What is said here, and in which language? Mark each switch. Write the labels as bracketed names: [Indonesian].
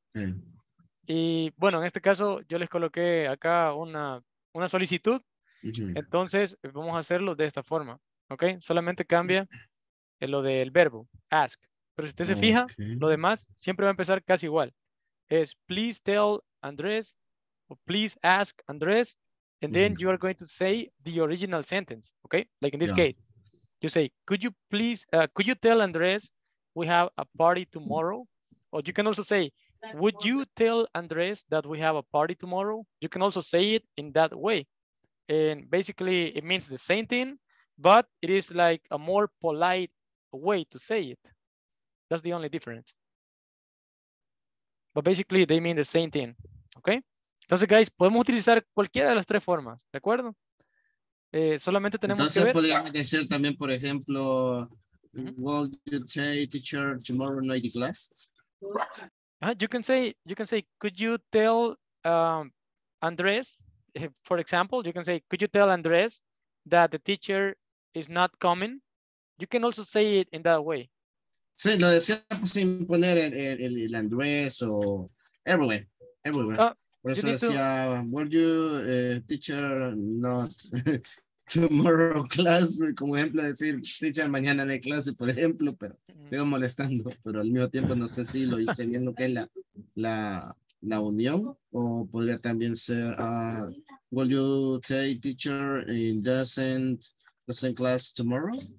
[Spanish] Okay. Y bueno, en este caso yo les coloqué acá una solicitud. Uh-huh. Entonces, vamos a hacerlo de esta forma, ¿ok? Solamente cambia lo del verbo, ask. Pero si usted se fija, lo demás siempre va a empezar casi igual. [English] Es, please tell Andrés, please ask Andres, and then you are going to say the original sentence, okay? Like in this case, you say, could you tell Andres we have a party tomorrow? Or you can also say, would you tell Andres that we have a party tomorrow? You can also say it in that way. And basically it means the same thing, but it is like a more polite way to say it. That's the only difference. But basically they mean the same thing, okay? [Spanish] Entonces, guys, podemos utilizar cualquiera de las tres formas, ¿de acuerdo? Solamente tenemos entonces, que ver. Entonces, podríamos decir también, por ejemplo, [English] will you say, teacher, tomorrow night class? You can say, could you tell Andres, for example, you can say, could you tell Andres that the teacher is not coming? You can also say it in that way. [Spanish] Sí, lo decía sin poner el Andres o everywhere. Por eso decía, [English] would you, teacher, not tomorrow class? [Spanish] Como ejemplo, decir, teacher, mañana de clase, por ejemplo, pero estoy molestando, pero al mismo tiempo no sé si lo hice bien lo que es la unión, o podría también ser, [English] would you say, teacher, doesn't class tomorrow?